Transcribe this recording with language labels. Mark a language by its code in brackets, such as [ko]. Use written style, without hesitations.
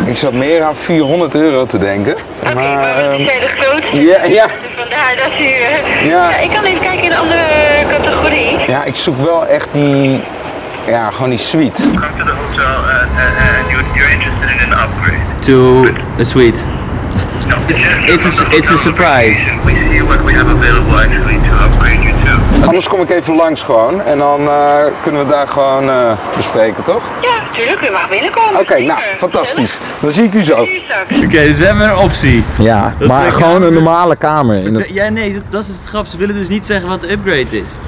[nl] Ik zat meer aan 400 euro te denken. Oké, maar dat is heel groot. Ja. Vandaar dat u... Ja. Ja, ik kan even kijken in een andere categorie. Ja, ik zoek wel echt die... Ja, gewoon die suite. [en] Come to the hotel and you're interested in an upgrade. To a suite. No, it's a surprise. We see what we have available and we need to upgrade you too. [nl] Anders kom ik even langs gewoon en dan kunnen we daar gewoon bespreken, toch? Ja, tuurlijk. U mag binnenkomen. Oké, nou, fantastisch. Dan zie ik u zo. Oké, dus we hebben een optie. Ja, maar gewoon een normale kamer. Ja, nee, dat is het grap. Ze willen dus niet zeggen wat de upgrade is.